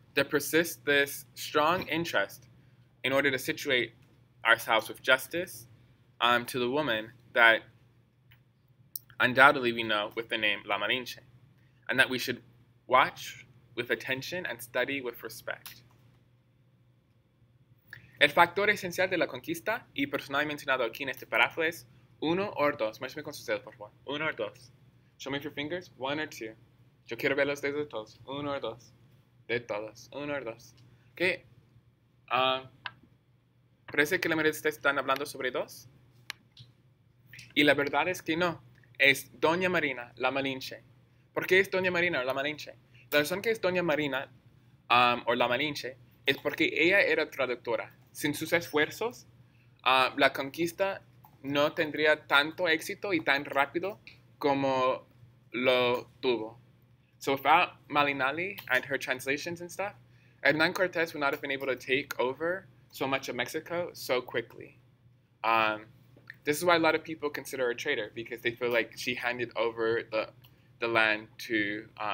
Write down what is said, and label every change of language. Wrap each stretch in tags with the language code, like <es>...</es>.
<en>There persists this strong interest in order to situate ourselves with justice to the woman that undoubtedly we know with the name La Malinche, and that we should watch with attention and study with respect.</en> <es>El factor esencial de la conquista y personal mencionado aquí en este párrafo es uno o dos. Muéstrame con sus dedos, por favor. Uno o dos.</es> <en>Show me your fingers. One or two.</en> <es>Yo quiero ver los dedos de todos. Uno o dos. De todos. Uno o dos. ¿Qué? ¿Parece que la mayoría de ustedes están hablando sobre dos? Y la verdad es que no. Es Doña Marina, la Malinche. ¿Por qué es Doña Marina o la Malinche? La razón que es Doña Marina, o la Malinche, es porque ella era traductora. Sin sus esfuerzos, la conquista no tendría tanto éxito y tan rápido como lo tuvo.</es> <en>So without Malinalli and her translations and stuff, Hernán Cortés would not have been able to take over so much of Mexico so quickly. This is why a lot of people consider her a traitor, because they feel like she handed over the land to...</en>